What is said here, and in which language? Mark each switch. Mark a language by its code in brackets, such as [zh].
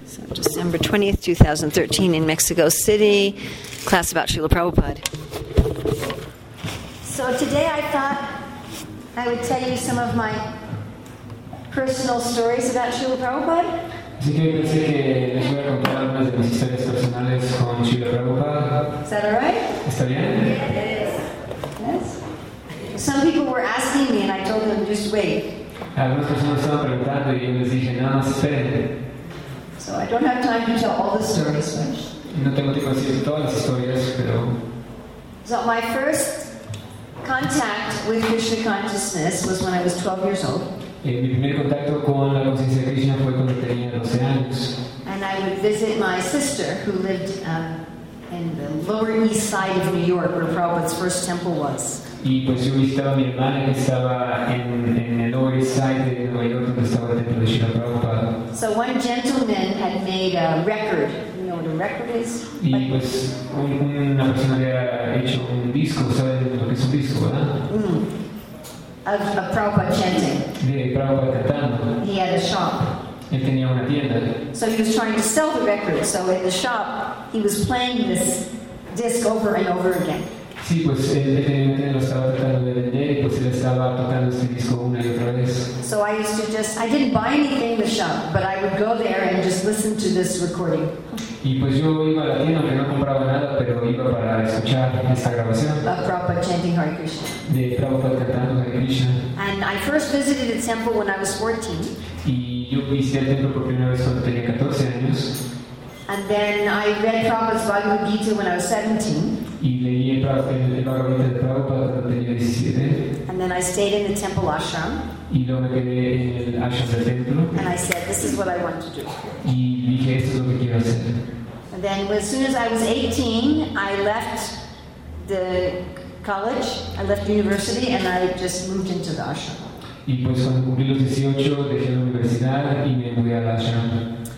[en] So December 20th, 2013, in Mexico City, class about Srila Prabhupada. So today I thought I would tell you some of my personal stories about Srila Prabhupada. [es] Así que les voy a contar algunas de mis historias personales con Srila Prabhupada. [en] Is that all right? [es] ¿Está bien? [en] Yeah, it is. Yes? Some people were asking me and I told them just wait. [es] Algunas personas estaban preguntando y yo les dije nada más esperen. [en] So I don't have time to tell all the stories. [es] No tengo tiempo de decir todas las historias, pero... [en] So my first contact with Krishna consciousness was when I was 12 years old. [es] Mi primer contacto con la conciencia de Krishna fue cuando tenía 12 años. [en] And I would visit my sister who lived in the Lower East Side of New York where Prabhupada's first temple was. [es] Y pues yo visitaba a mi hermana que estaba en el Lower East Side de Nueva York donde estaba el templo de Srila Prabhupada. [en] So one gentleman had made a record. You know what a record is? [es] Y pues una persona había hecho un disco, ¿saben lo que es un disco, verdad? [en] Of Prabhupada chanting. [es] De Prabhupada cantando. [en] He had a shop. [es] Él tenía una tienda. [en] So he was trying to sell the record. So in the shop, he was playing this disc over and over again. [es] Sí, pues él lo estaba tratando de vender y pues él estaba tocando este disco una y otra vez. [en] So I used to just, I didn't buy anything in the shop, but I would go there and just listen to this recording. [es] Y pues yo iba a la tienda, aunque no compraba nada, pero iba para escuchar esta grabación. [en] Of Prabhupada chanting Hare Krishna. [es] De Prabhupada cantando Hare Krishna. [en] And I first visited the temple when I was 14. [es] Y yo visité el templo por primera vez cuando tenía 14 años. [en] And then I read Prabhupada's Bhagavad Gita when I was 17. [es] Y leí el Bhagavad Gita de Prabhupada cuando tenía 17. [en] And then I stayed in the temple ashram. [es] Y luego me quedé en el ashram del templo. [en] And I said, this is what I want to do. [es] Y dije, esto es lo que quiero hacer. [en] And then as soon as I was 18, I left the college, I left the university, and I just moved into the ashram. [es] Y pues cuando cumplí los 18, dejé la universidad y me mudé al ashram.